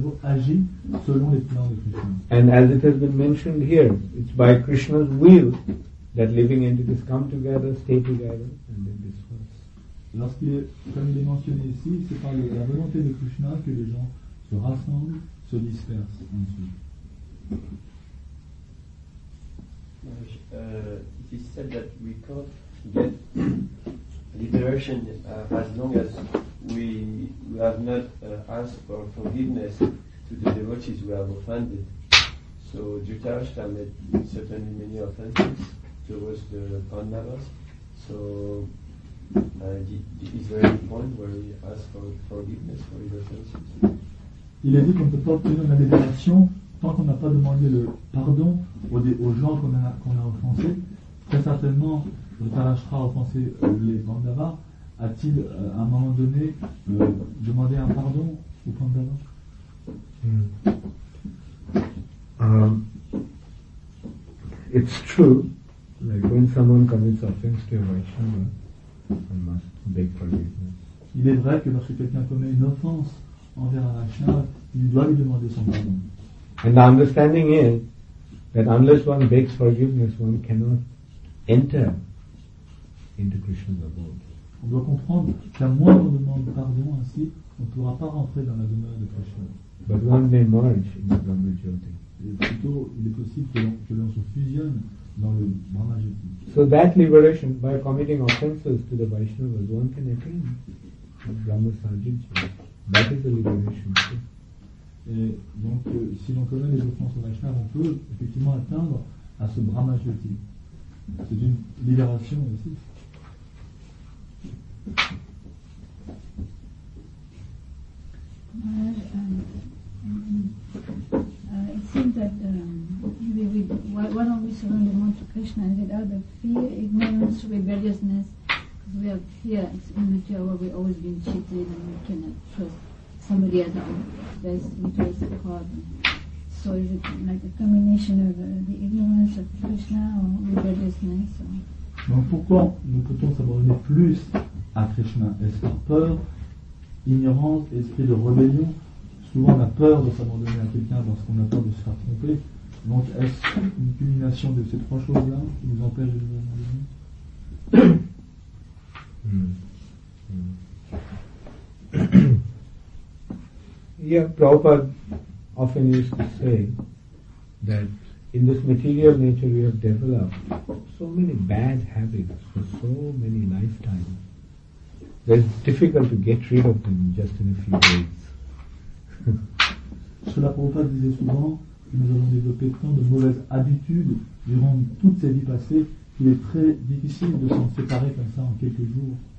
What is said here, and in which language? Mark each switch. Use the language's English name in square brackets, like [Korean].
[English] And as it has been mentioned here, it's by Krishna's will that living entities come together, stay together, and then disperse. [French] Lorsque, comme il est mentionné ici, c'est par la volonté de Krishna que les gens se rassemblent, se dispersent ensuite. [English] It is said that we can't get liberation as long as we have not asked for forgiveness to the devotees we have offended. So Dhritarashtra made certainly many offenses towards the Pandavas. So it is very important where he asked for forgiveness for his offenses. [French] Il a dit qu'on ne peut pas obtenir la libération tant qu'on n'a pas demandé le pardon aux gens qu'on a offensés. Très certainement, Dhritarashtra a offensé les Pandavas. A-t-il, à un moment donné, demandé un pardon aux Pandavas? [English] It's true, like when someone commits offense to a Vaishnava, I must beg forgiveness. [French] Il est vrai que lorsque quelqu'un commet une offense envers un Vaishnava, il doit lui demander son pardon. [English] And the understanding is that unless one begs forgiveness, one cannot enter into Krishna's abode. [French] On doit comprendre qu'à moins qu'on demande pardon ainsi, on ne pourra pas rentrer dans la demeure de Krishna. [English] But one may merge in the Brahma Jyoti. [French] Plutôt, il est possible que l'on se fusionne dans le Brahma Jyoti. [English] So that liberation, by committing offenses to the Vaishnavas, one can attain the Brahma Sajjaya. That is the liberation. [French] Et donc, si l'on connaît les offenses au Vaishnava, on peut effectivement atteindre à ce Brahma Jyoti. C'est une libération aussi. [English] It seems that why don't we surrender more to Krishna and get out of fear, ignorance, rebelliousness? Because we have fear, it's immature, we've always been cheated and we cannot trust somebody at all. There's interest in God. So is it like a combination of the ignorance of Krishna or rebelliousness? [French] Donc pourquoi nous peut-on s'abandonner plus à Krishna? Est-ce par peur, ignorance, esprit de rébellion? Souvent on a peur de s'abandonner à quelqu'un parce qu'on a peur de se faire tromper. Donc est-ce une culmination de ces trois choses-là qui nous empêche de nous abandonner? Mm. Mm. [English] Yeah, Prabhupada often used to say that in this material nature we have developed so many bad habits for so many lifetimes that it's difficult to get rid of them just in a few days. [French] Cela Prabhupada disait souvent que nous avons développé tant de mauvaises habitudes durant toute sa vie passée qu'il est très difficile de s'en séparer comme ça en quelques jours.